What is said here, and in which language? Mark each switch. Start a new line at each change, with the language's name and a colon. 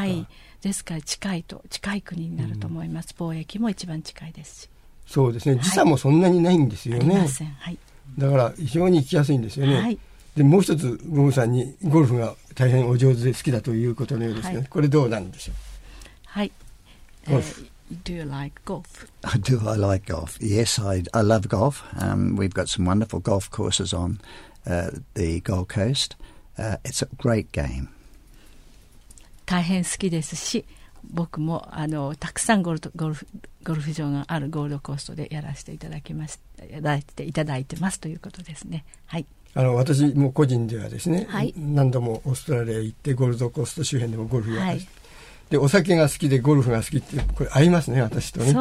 Japanese: はい、ですから近い国になると思います。貿易も一番近いですし。そうですね、時差もそんなにないんですよね。はい、ありません。はい、だから非常に行きやすいんですよね。はい、でもう一つ、ゴムさんにゴルフが大変お上手で好きだということのようですが、はい、これどうなんでしょう。はい、ゴルフ、
English: Do you like golf? Do I like golf? Yes, I love golf. We've got some wonderful golf courses on the Gold Coast. It's a great game.
Japanese: 大変好きですし、僕もあのたくさんゴルフ場があるゴールドコーストでやらせていただいてますということですね。はい。あの、私も個人ではですね、はい、何度もオーストラリア行ってゴールドコースト周辺でもゴルフやらせて、はい、でお酒が好きでゴルフが好きってこれ合いますね、私とね。